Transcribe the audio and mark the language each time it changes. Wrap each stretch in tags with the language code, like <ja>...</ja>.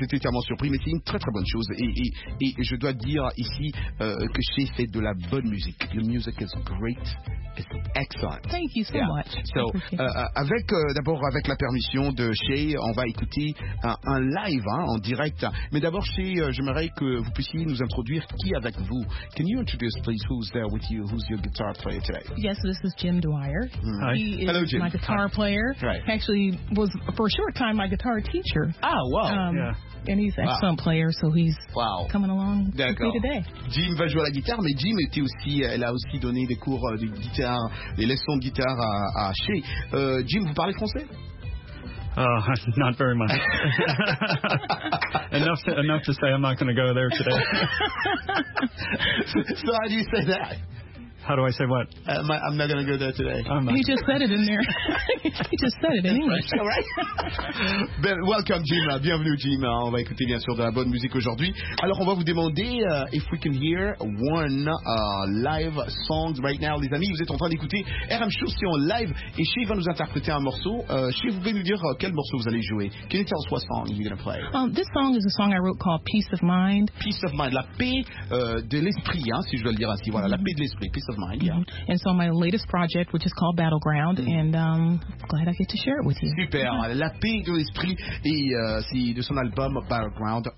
<fr>J'étais tellement surpris, mais c'est une très très bonne chose. Et je dois dire ici que j'ai fait de la bonne musique.</fr> <en>The music is great. Excellent. Thank you so much.</en> <fr>So, avec la permission de Shane, on va écouter un live en direct. Mais d'abord, Shane, j'aimerais que vous puissiez nous introduire qui avec vous.</fr> <en>Can you introduce, please, who's there with you? Who's your guitar player today? Yes, this is Jim Dwyer. Mm-hmm. Hi. He Hello, Jim. My guitar Hi. Player. Right. Actually was, for a short time, my guitar teacher. Oh, wow. And he's an excellent player, so he's coming along today.</en> <fr>Jim va jouer à la guitare, mais Jim était aussi, elle a aussi donné des cours de guitare, des leçons de guitare à Shea. Jim, vous parlez français?</fr> <en>Not very much. enough to say I'm not going to go there today. So how do you say that? How do I say what? I'm not going to go there today. He just said it in there. He just said it in English. All right. Ben, welcome, Jim.</en> <fr>Bienvenue, Jim. On va écouter, bien sûr, de la bonne musique aujourd'hui. Alors, on va vous demander</fr> <en>if we can hear one live song right now,</en> <fr>les amis. Vous êtes en train d'écouter RM Show, c'est en live. Et Shea va nous interpréter un morceau. Shea, vous pouvez nous dire quel morceau vous allez jouer?</fr> <en>Can you tell us what song you're going to play? This song is a song I wrote called Peace of Mind.</en> <fr>Peace of Mind. La paix de l'esprit, hein, si je dois le dire ainsi. Voilà, la paix de l'esprit.</fr> <en>Peace of Mind, yeah.</en> <fr>Mm-hmm.</fr> <en>And so my latest project, which is called Battleground, and glad I get to share it with you. Super. Yeah.</en> <fr>La paix de l'esprit et c'est de son album Battleground.</fr>